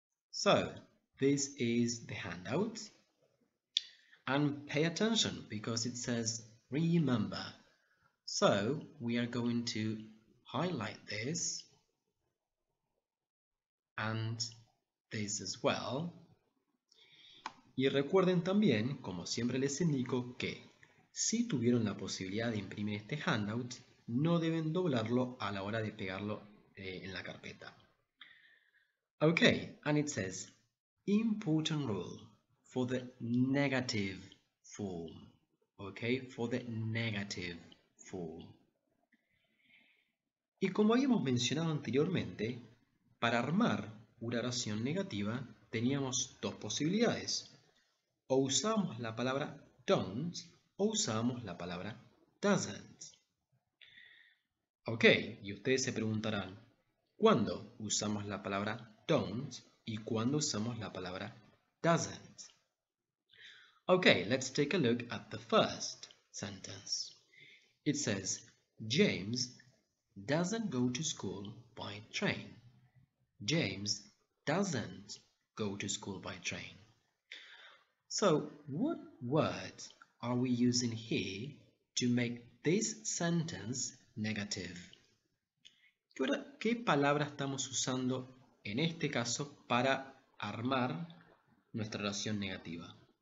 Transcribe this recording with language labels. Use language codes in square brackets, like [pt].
[en] So, this is the handout. And pay attention because it says remember. So we are going to highlight this and this as well. [es] Y recuerden también, como siempre les indico, que si tuvieron la posibilidad de imprimir este handout, no deben doblarlo a la hora de pegarlo en la carpeta. [en] Okay, and it says, important rule for the negative form. Okay, for the negative form. [es] Y como habíamos mencionado anteriormente, para armar una oración negativa, teníamos dos posibilidades. O usamos la palabra don't, o usamos la palabra doesn't. Ok, y ustedes se preguntarán, ¿cuándo usamos la palabra don't y cuándo usamos la palabra doesn't? [en] Ok, let's take a look at the first sentence. It says, James doesn't go to school by train. James doesn't go to school by train. So, what words are we using here to make this sentence negative? [es] ¿Qué palabra estamos usando en este caso para armar nuestra oración negativa?